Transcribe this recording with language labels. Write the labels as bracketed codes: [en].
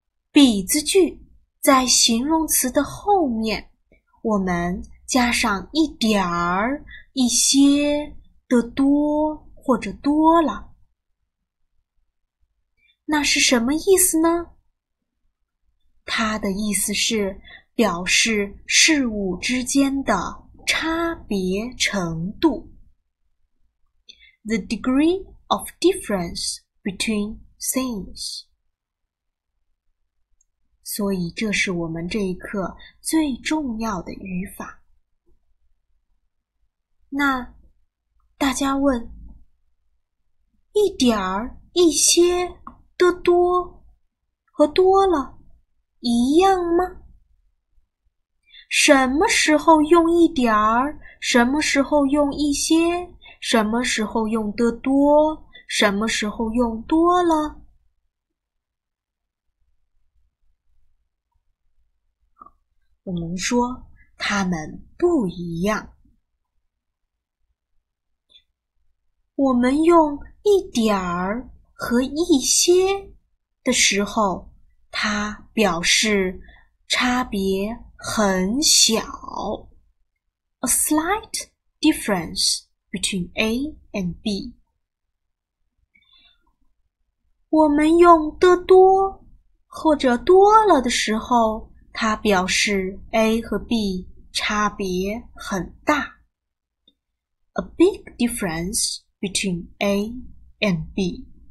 [zh] 比字句在形容词的后面，我们加上一点儿、一些的多或者多了。那是什么意思呢？它的意思是表示事物之间的差别程度。 [en] The degree of difference between things。 [zh] 所以这是我们这一课最重要的语法。那大家问，一点儿、一些的多和多了一样吗？什么时候用一点儿，什么时候用一些，什么时候用的多，什么时候用多了？我们说它们不一样。我们用一点儿和一些的时候，它表示差别很小。 [en] A slight difference between A and B。 [zh] 我们用的多或者多了的时候，它表示 A 和 B 差别很大。 [en] A big difference between A and B。